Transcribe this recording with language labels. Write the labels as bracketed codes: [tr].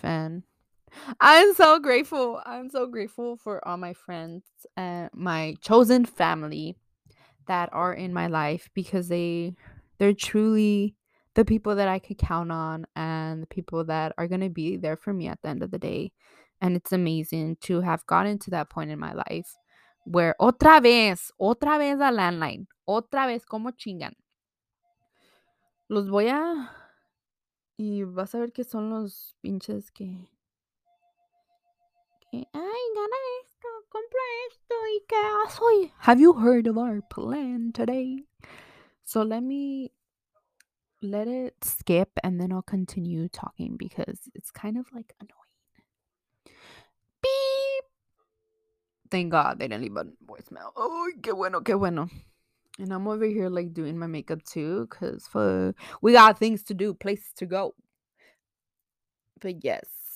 [en] And I'm so grateful for all my friends and my chosen family that are in my life, because they're truly the people that I could count on and the people that are going to be there for me at the end of the day. And it's amazing to have gotten to that point in my life. Where [es] otra vez a landline, otra vez como chingan. Los voy a Y vas a ver que son los pinches que... Ay, gana esto, compra esto y qué soy. [en] Have you heard of our plan today? So let me let it skip and then I'll continue talking because it's kind of like annoying. Thank God they didn't leave a voicemail. Oh, [es] qué bueno, qué bueno. [en] And I'm over here like doing my makeup too, cause fuck, we got things to do, places to go. But yes.